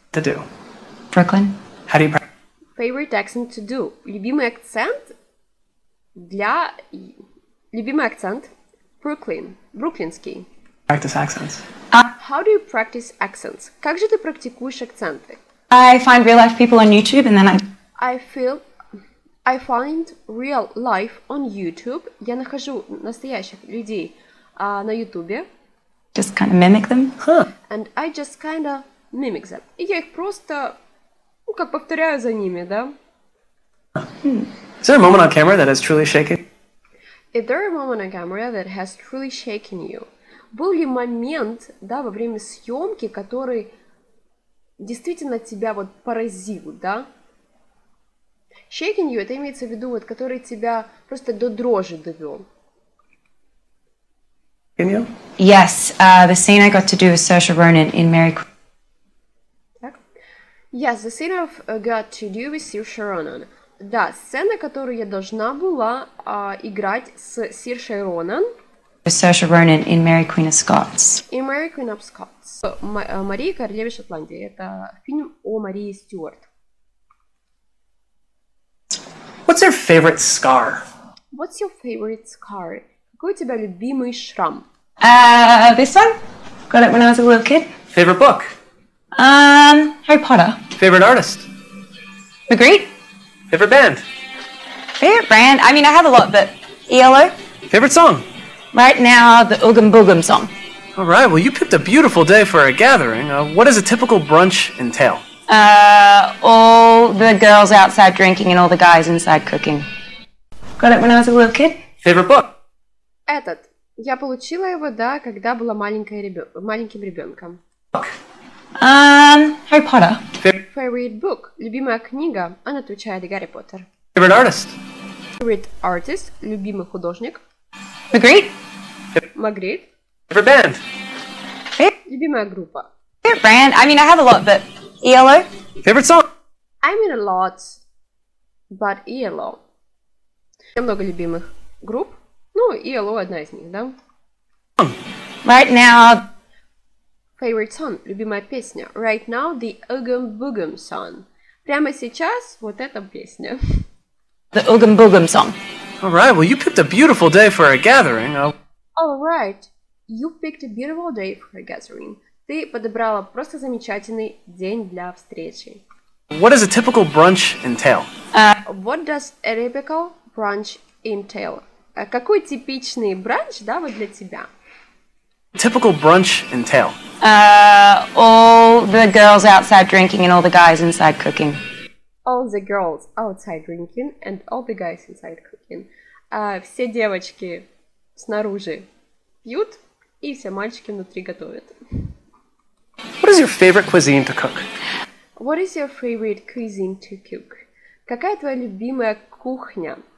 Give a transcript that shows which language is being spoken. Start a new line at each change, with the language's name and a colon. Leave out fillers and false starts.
English: To do. Brooklyn. How do you practice? Favorite accent to do.
Russian: Любимый акцент для... Любимый акцент? Brooklyn. Бруклинский.
English: Practice accents. How do you practice accents?
Russian: Как же ты практикуешь акценты?
English: I find real life people on YouTube and then I find real life on YouTube.
Russian: Я нахожу настоящих людей на YouTube.
English: Just kind of mimic them. Huh. And I just kind of mimic them.
Russian: И я их просто, ну, как повторяю за ними, да?
English: Is there a moment on camera that has truly shaken? Is there a moment on camera that has truly shaken you?
Russian: Был ли момент, да, во время съемки, который действительно тебя вот поразил, да?
English: Shaking you,
Russian: это имеется в виду, вот, который тебя просто до дрожи довел.
English: Can you? Yes, the scene I got to do with Saoirse Ronan in Mary Queen. Yes, the scene I got to do with Saoirse Ronan.
Russian: Да, сцена, которую я должна была играть с Saoirse Ronan.
English: With Saoirse Ronan in Mary Queen of Scots. In Mary Queen of Scots.
Russian: Мария Королева Шотландии. Это фильм о Марии Стюарт.
English: What's your favorite scar? What's your favorite scar?
Russian: Какой у тебя любимый шрам?
English: This one. Got it when I was a little kid. Favorite book? Harry Potter. Favorite artist? Magritte. Favorite band? Favorite brand? I mean, I have a lot, but ELO. Favorite song? Right now, the Oogum Boogum song. All right. Well, you picked a beautiful day for a gathering. What does a typical brunch entail? All the girls outside drinking and all the guys inside cooking. Got it when I was a little kid. Favorite book?
Russian: Этот. Я получила его, да, когда была маленьким ребенком.
English: Book. Harry Potter. Favorite book.
Russian: Любимая книга. Она отвечает Гарри Поттер.
English: Favorite artist? Favorite artist.
Russian: Любимый художник.
English: Magritte. Magritte. Favorite band?
Russian: Любимая группа.
English: Favorite brand? I mean, I have a lot, but... ELO. Favorite song? I mean a lot, but ELO.
Russian: Я много любимых групп. Ну, ELO одна из них, да?
English: Right now. Favorite song.
Russian: Любимая песня.
English: Right now the Oogum Boogum song.
Russian: Прямо сейчас вот эта песня.
English: The Oogum Boogum song. All right, well, you picked a beautiful day for a gathering. All right, you picked a beautiful day for a gathering.
Russian: Ты подобрала просто замечательный день для встречи.
English: What does a typical brunch entail? What does a typical brunch entail?
Russian: Какой типичный бранч, да, вот для тебя?
English: Typical brunch entail? All the girls outside drinking and all the guys inside cooking. All the girls outside drinking and all the guys inside cooking.
Russian: Все девочки снаружи пьют и все мальчики внутри готовят.
English: What is your favorite cuisine to cook? What is your favorite cuisine to cook?
Russian: Какая твоя любимая кухня?